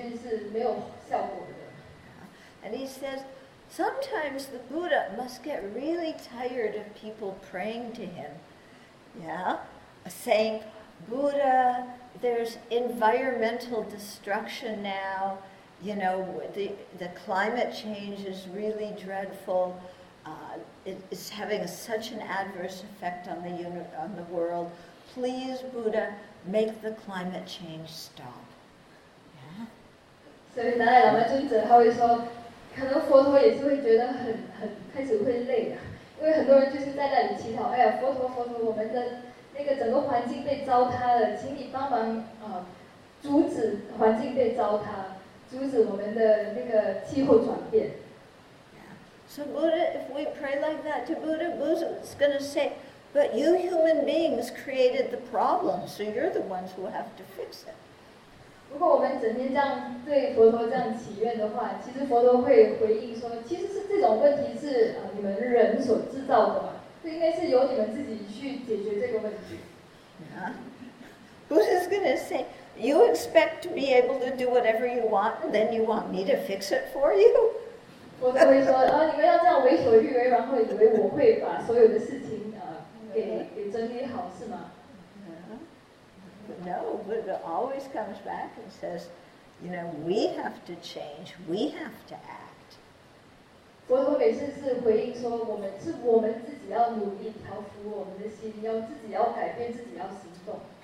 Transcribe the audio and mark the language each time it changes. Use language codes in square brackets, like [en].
[zh] 所以我们，你可以，达赖喇嘛就直接这么说：如果你一直在那里祈祷啊、祈愿，但是你反而出一离开佛堂，就给其他人造很多烦恼，那你要祈祷还是祈愿是没有效果的。 [en] And he says, sometimes the Buddha must get really tired of people praying to him. Yeah, saying, Buddha, there's environmental destruction now. You know, the climate change is really dreadful. It's having such an adverse effect on the world. Please, Buddha, make the climate change stop. Yeah. So, [zh] 可能佛陀也是会觉得很开始会累啊，因为很多人就是在那里祈祷，哎呀，佛陀佛陀，我们的那个整个环境被糟蹋了，请你帮忙阻止环境被糟蹋，阻止我们的那个气候转变。 [en] So Buddha, if we pray like that to Buddha, Buddha's gonna say, but you human beings created the problem, so you're the ones who have to fix it. [zh] 如果我们整天这样对佛陀这样祈愿的话，其实佛陀会回应说，其实是这种问题是你们人所制造的嘛，这应该是由你们自己去解决这个问题。 [en] Buddha is going to say, you expect to be able to do whatever you want, and then you want me to fix it for you? [zh] 我可以说，你们要这样为所欲为，然后以为我会把所有的事情给整理好，是吗？ [en] No, but it always comes back and says, you know, we have to change, we have to act. [zh] 我每次是回应说，我们自己要努力调服我们的心，要自己要改变，自己要行动。